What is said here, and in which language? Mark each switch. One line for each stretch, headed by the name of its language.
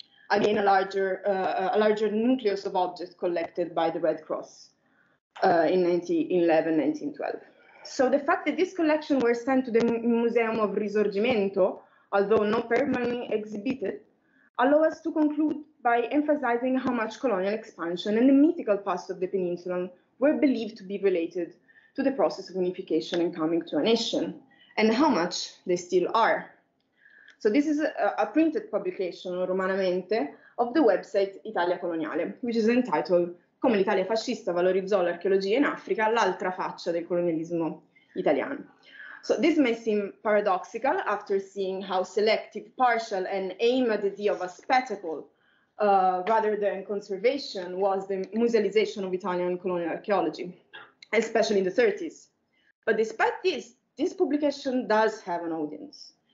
English: Again, a larger nucleus of objects collected by the Red Cross in 1911-1912. So the fact that this collection was sent to the Museum of Risorgimento, although not permanently exhibited, allow us to conclude by emphasizing how much colonial expansion and the mythical past of the peninsula were believed to be related to the process of unification and coming to a nation, and how much they still are. So this is a printed publication, Romanamente, of the website Italia Coloniale, which is entitled
Italian: come l'Italia fascista valorizzò l'archeologia in Africa, l'altra faccia del colonialismo italiano.
English: So this may seem paradoxical after seeing how selective, partial, and aimed at the view of a spectacle rather than conservation was the musealization of Italian colonial archaeology, especially in the 30s. But despite this, this publication does have an audience.